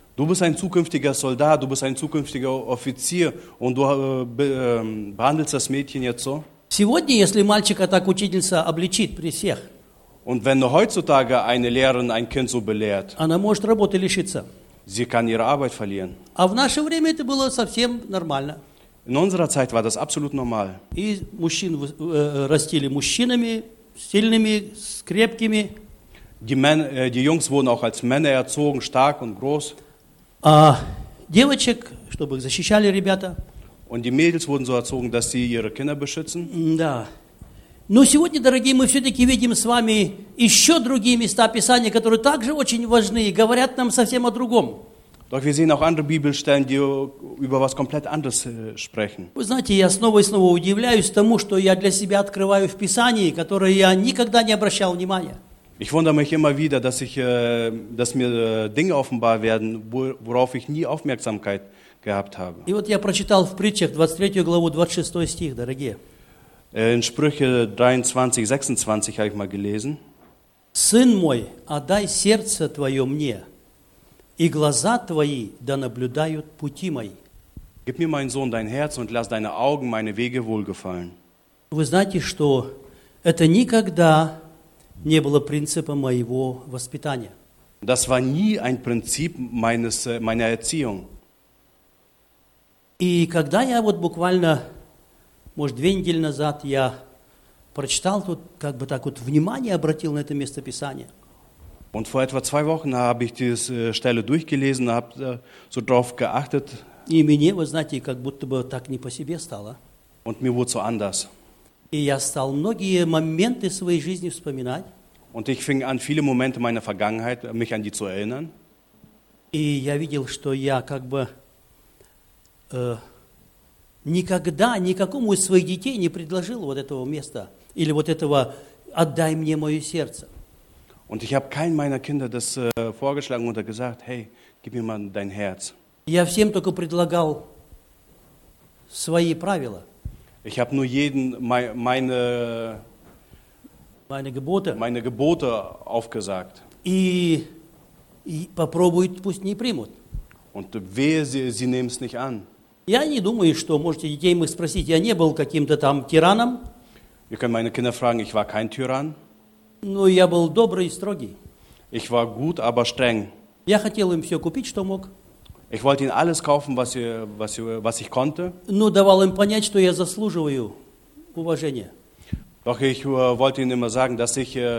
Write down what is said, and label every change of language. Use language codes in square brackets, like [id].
[de] Du bist ein zukünftiger Soldat, du bist ein zukünftiger Offizier und du behandelst das Mädchen jetzt so? [ru] Сегодня, если мальчика так учительница обличит при всех, [de] und wenn heutzutage eine Lehrerin ein Kind so belehrt, [ru] она может работы лишиться. [de] Sie kann ihre Arbeit verlieren. [ru] А в наше время это было совсем нормально. [de] In unserer Zeit war das absolut normal. [ru] И мужчин растили мужчинами, сильными, крепкими. [de] Die Jungs wurden auch als Männer erzogen, stark und groß. [ru] А девочек, чтобы их защищали ребята. [de] Und die Mädels wurden so erzogen, dass sie ihre Kinder beschützen. [ru] Да. Но сегодня, дорогие, мы все-таки видим с вами еще другие места Писания, которые также очень важны и говорят нам совсем о другом. [de] Doch wir sehen auch andere Bibelstellen, die über was komplett anderes sprechen. [ru] Вы знаете, я снова и снова удивляюсь тому, что я для себя открываю в Писании, которое я никогда не обращал внимания. [de] Ich wundere mich immer wieder, dass ich, dass mir Dinge offenbar werden, worauf ich nie Aufmerksamkeit gehabt habe. [ru] И вот я прочитал в притчах 23 главу 26 стих, дорогие. [de] In Sprüche 23, 26 habe ich mal gelesen. [ru] Сын мой, отдай сердце твое мне, и глаза твои да наблюдают пути мои. [de] Gib mir, mein Sohn, dein Herz und lass deine Augen meine Wege wohlgefallen. [ru] Вы знаете, что это никогда не было принципом моего воспитания. [de] Das war nie ein Prinzip meines, meiner Erziehung. [ru] И когда я вот буквально, может, две недели назад я прочитал тут, как бы так вот, внимание обратил на это место Писания. [de] Und vor etwa zwei Wochen habe ich diese Stelle durchgelesen, habe so drauf geachtet. [ru] И мне, вы знаете, как будто бы так не по себе стало. [de] Und mir wurde so anders. [ru] И я стал многие моменты своей жизни вспоминать. [de] Und ich fing an, viele Momente meiner Vergangenheit, mich an die zu erinnern. [ru] И я видел, что я как бы никогда никакому из своих детей не предложил вот этого места или вот этого «отдай мне мое сердце». [de] Und ich habe keinem meiner Kinder das vorgeschlagen oder gesagt, hey, gib mir mal dein Herz. [ru] Я всем только предлагал свои правила. [de] Ich habe nur jeden meine Gebote aufgesagt. [ru] И попробуют, пусть не примут. [de] Und wehe, sie nehmen es nicht an. [ru] Я не думаю, что можете детей моих спросить, я не был каким-то там тираном. [de] Ihr könnt meine Kinder fragen, ich war kein Tyrann. [ru] Ну, я был добрый и строгий. [de] Ich war gut, aber streng. [ru] Я хотел им все купить, что мог. [de] Ich wollte ihnen alles kaufen, was ich konnte. [ru] Ну, давал им понять, что я заслуживаю уважения. [de] Doch ich wollte ihnen immer sagen, dass ich